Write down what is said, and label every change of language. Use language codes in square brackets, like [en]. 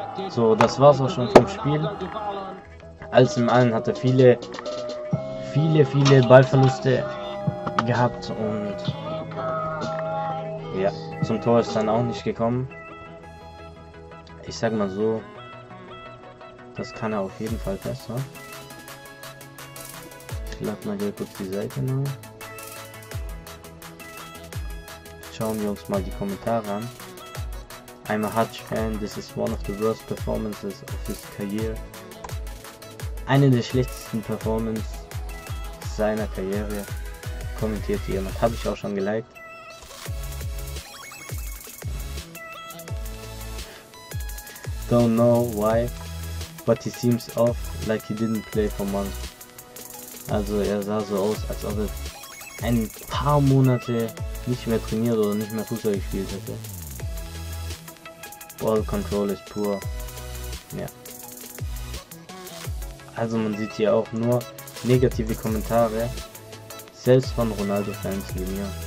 [de] So, das war's auch schon vom Spiel. Alles im allen hat er viele Ballverluste gehabt und ja, zum Tor ist dann auch nicht gekommen. Ich sag mal so, das kann er auf jeden Fall besser. Ich lade mal hier kurz die Seite neu. Schauen wir uns mal die Kommentare an. [en] I'm a Hutch fan, this is one of the worst performances of his career. [de] Eine der schlechtesten Performances seiner Karriere, kommentiert jemand. Habe ich auch schon geliked. [en] Don't know why, but he seems off like he didn't play for months. [de] Also er sah so aus, als ob er ein paar Monate nicht mehr trainiert oder nicht mehr Fußball gespielt hätte. [en] Ball control is poor. Ja. [de] Also man sieht hier auch nur negative Kommentare, selbst von Ronaldo-Fans wie mir.